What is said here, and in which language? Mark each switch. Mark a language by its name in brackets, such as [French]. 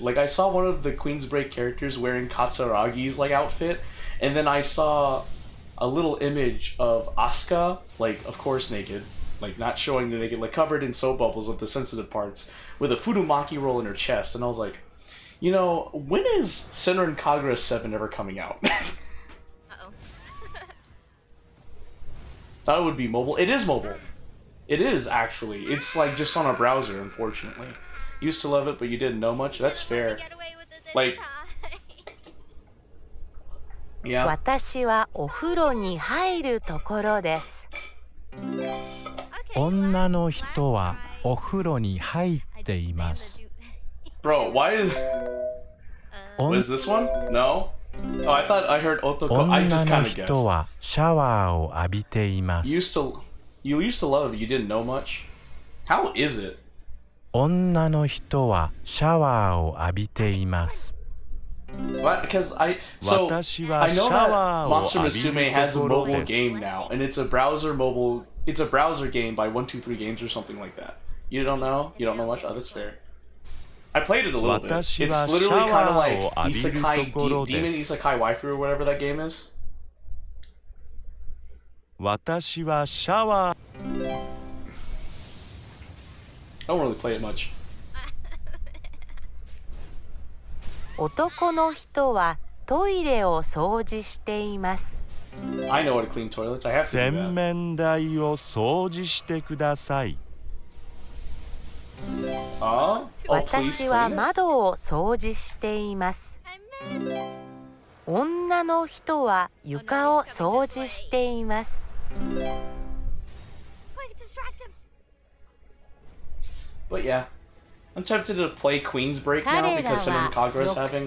[English] Like, I saw one of the Queensbreak characters wearing Katsuragi's, like, outfit, and then I saw a little image of Asuka, like, of course naked, like, not showing the naked, like, covered in soap bubbles of the sensitive parts, with a Furumaki roll in her chest, and I was like, you know, when is Senran Kagura 7 ever coming out? Uh-oh. That would be mobile. It is mobile. It is, actually. It's, like, just on a browser, unfortunately. Used to love it, but you didn't know much. That's fair. Like, yeah. [Japanese] 私はお風呂に入るところです。女の人はお風呂に入っています。 [English] Bro, why is what is this one? No? Oh, I thought I heard Otoko. I just kind of guessed. [Japanese] 女の人はシャワーを浴びています。 [English] You used to love it, but you didn't know much. How is it? [Japanese] 女の人はシャワーを浴びています。私はシャワーを浴びるところです。 [English] And it's a browser mobile, it's a browser game by 123 Games or something like that. You don't know? You don't know much? Oh, that's fair. I played it a little bit. It's literally kind of like Isekai, Demon Isekai Waifu or whatever that game is. [Japanese] 私はシャワー [English] I don't really play it much. [Japanese] 男の人はトイレを掃除しています。 [English] I know how to clean toilets. I have to do that. [Japanese] 洗面台を掃除してください。 [English] Oh, please, [Japanese] 私は窓を掃除しています。 [English] I missed. [Japanese] 女の人は床を掃除しています。 [English] But yeah, I'm tempted to play Queensbreak now because of Kagura's having a